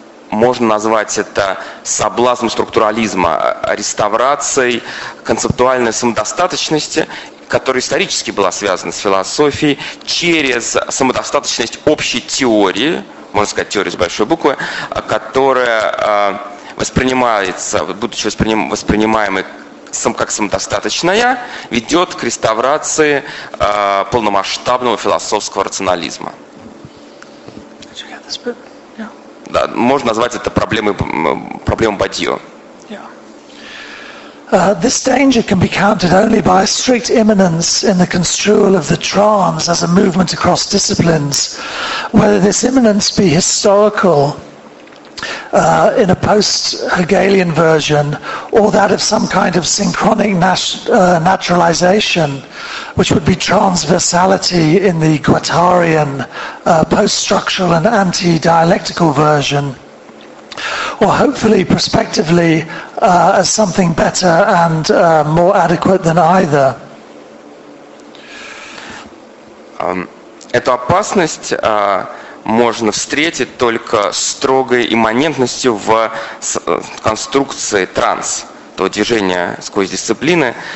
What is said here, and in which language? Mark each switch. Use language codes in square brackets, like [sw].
[ru] Можно назвать это соблазном структурализма, реставрацией концептуальной самодостаточности, которая исторически была связана с философией, через самодостаточность общей теории, можно сказать, теории с большой буквы, которая воспринимается, будучи воспринимаемой как самодостаточная, ведет к реставрации полномасштабного философского рационализма. Yeah. Да, можно назвать это проблемой Бадью. [en] This danger can be countered only by a strict immanence in the construal of the trans as a movement across disciplines, whether this immanence be historical, in a post-Hegelian version, or that of some kind of synchronic naturalization, which would be transversality in the Guattarian, post-structural and anti-dialectical version, or hopefully, prospectively, as something better and more adequate than either. [ru] Эту опасность можно встретить только строгой имманентностью в конструкции транс, то движение сквозь дисциплины,